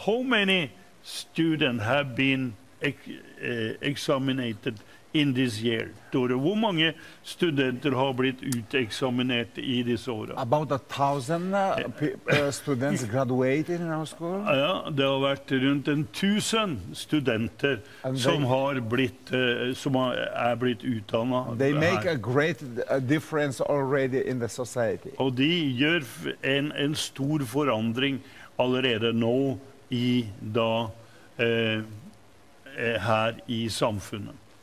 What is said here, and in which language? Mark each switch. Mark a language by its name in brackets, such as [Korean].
[English] How many students have been examinated in this year, Tore? [Norwegian] Hvor mange studenter har blitt uteksaminert i disse årene? [English] About 1,000 students graduated in our school. [Norwegian] Ja, det har vært rundt 1,000 studenter som er blitt utdannet. [English] They make a great difference already in the society. [Norwegian] Og de gjør en stor forandring allerede nå i da her i samfunnet.